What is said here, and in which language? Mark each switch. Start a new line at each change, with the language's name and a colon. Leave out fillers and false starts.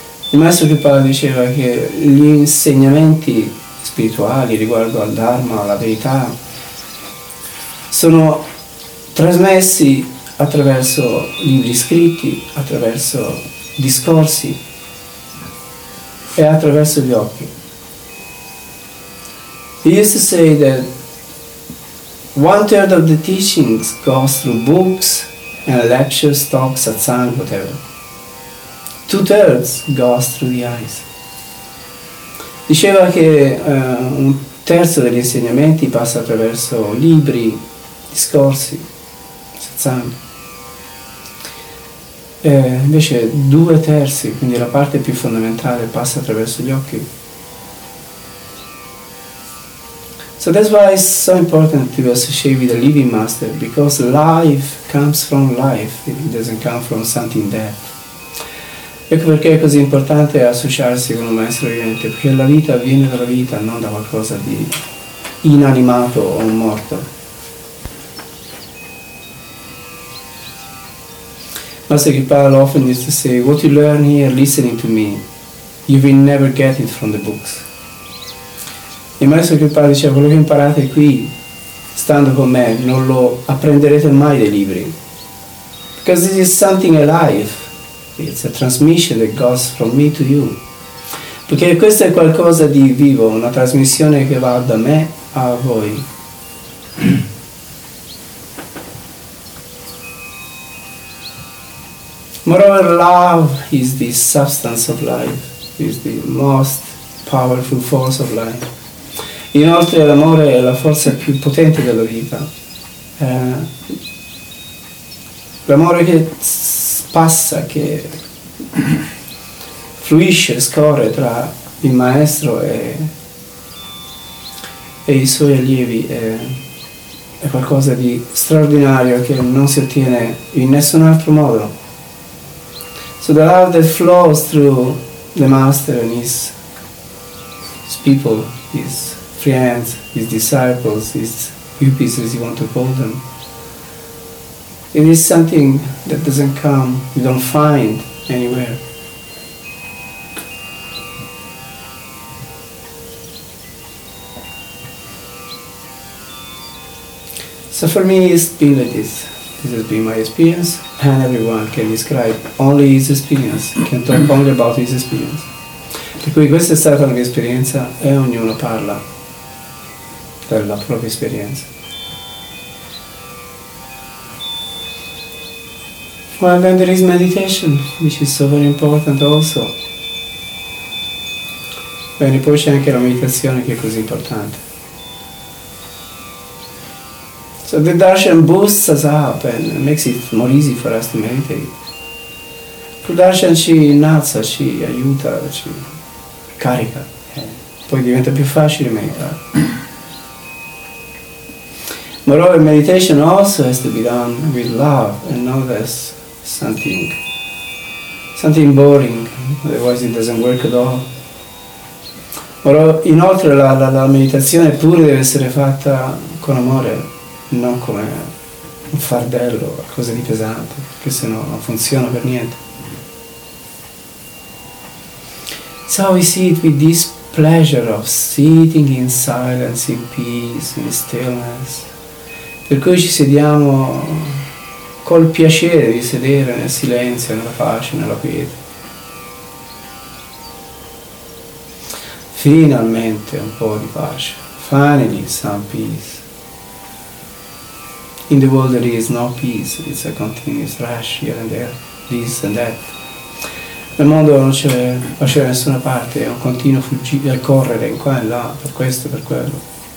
Italian: Il Maestro Kripal diceva che gli insegnamenti spirituali riguardo al Dharma, alla verità, sono trasmessi attraverso libri scritti, attraverso discorsi e attraverso gli occhi.
English: He used to say that one third of the teachings goes through books and lectures, talks, satsang, whatever. Two thirds goes through the eyes.
Italian: Diceva che un terzo degli insegnamenti passa attraverso libri, discorsi, satsang. Invece due terzi, quindi la parte più fondamentale, passa attraverso gli occhi.
English: So that's why it's so important to associate with the living master, because life comes from life, it doesn't come from something dead.
Italian: Ecco perché è così importante associarsi con un maestro vivente, perché la vita viene dalla vita, non da qualcosa di inanimato o morto.
English: Master Kripal often used to say, what you learn here listening to me you will never get it from the books.
Italian: Il maestro che parla dice, quello che imparate qui, stando con me, non lo apprenderete mai dai libri.
English: Because this is something alive. It's a transmission that goes from me to you.
Italian: Perché questo è qualcosa di vivo, una trasmissione che va da me a voi.
English: Moreover, love is the substance of life, is the most powerful force of life.
Italian: Inoltre, l'amore è la forza più potente della vita. L'amore che passa, che fluisce, scorre tra il maestro e i suoi allievi è qualcosa di straordinario che non si ottiene in nessun altro modo.
English: So the love that flows through the master and his people, his friends, his disciples, his pupils, as you want to call them, it is something that doesn't come, you don't find anywhere. So for me it's been like this. This has been my experience, and everyone can describe only his experience, can talk only about his experience.
Italian: Per cui questa è stata la mia esperienza e ognuno parla della propria esperienza.
English: Well, then there is meditation, which is so very important also.
Italian: Bene, poi c'è anche la meditazione che è così importante.
English: So the darshan boosts us up and makes it more easy for us to meditate.
Italian: Through darshan ci innalza, ci aiuta, ci carica. Poi diventa più facile meditare.
English: Moreover, meditation also has to be done with love and not as something boring, otherwise it doesn't work at all.
Italian: Però inoltre la meditazione pure deve essere fatta con amore, non come un fardello, qualcosa di pesante, che sennò non funziona per niente.
English: So we see it with this pleasure of sitting in silence, in peace, in stillness.
Italian: Per cui ci sediamo col piacere di sedere nel silenzio, nella pace, nella quiete. Finalmente un po' di pace.
English: Finally some peace. In the world there is no peace, it's a continuous rush here and there, this and that.
Italian: Nel mondo non c'è nessuna parte, è un continuo fuggire, correre in qua e là, per questo e per quello.